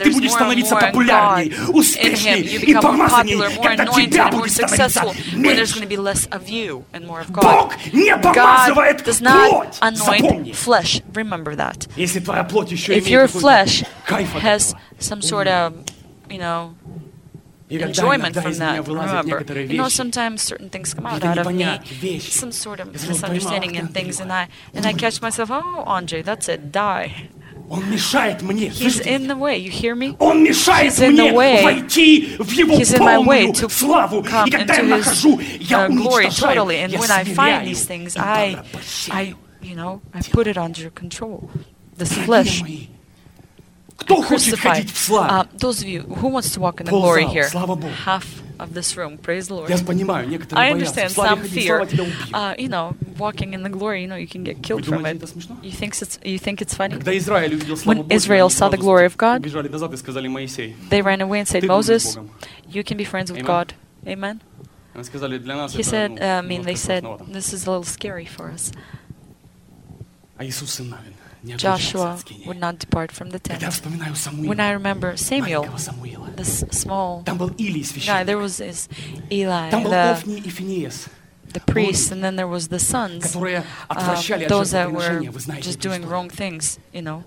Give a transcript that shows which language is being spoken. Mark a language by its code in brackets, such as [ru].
[ru] Ты будешь становиться популярней, успешней и помазанней, когда тебя будет становиться меньше. Бог не помазывает плоть. Запомни. Если твоя плоть еще имеет какой-то кайф от этого, [en] enjoyment from that, remember. You know, sometimes certain things come out of me, some sort of misunderstanding and things, and I catch myself, oh, Andre, that's it, die. He's in the way, you hear me? He's in the way. He's in my way to come into his glory totally. And when I find these things, I put it under control. This flesh. [ru] Кто хочет ходить в славе? [en] Those of you who wants to walk in the glory here. [ru] Слава Богу. [en] Half of this room, praise the Lord. [ru] Я понимаю, некоторые боятся. [en] I understand some fear. You know, walking in the glory, you know, you can get killed from it. You think it's funny? [ru] Когда Израиль увидел славу [en] when Israel saw the glory of God, [ru] убежали назад и сказали Моисей. [en] They ran away and said, Moses, you can be friends with God. Amen. [ru] Они сказали для нас. [en] He said, I mean, they said, this is a little scary for us. [ru] А Иисус сын Навин. [en] Joshua would not depart from the tent. When I remember Samuel, the small guy, there was this Eli, the priest, and then there was the sons, those that were just doing wrong things, you know.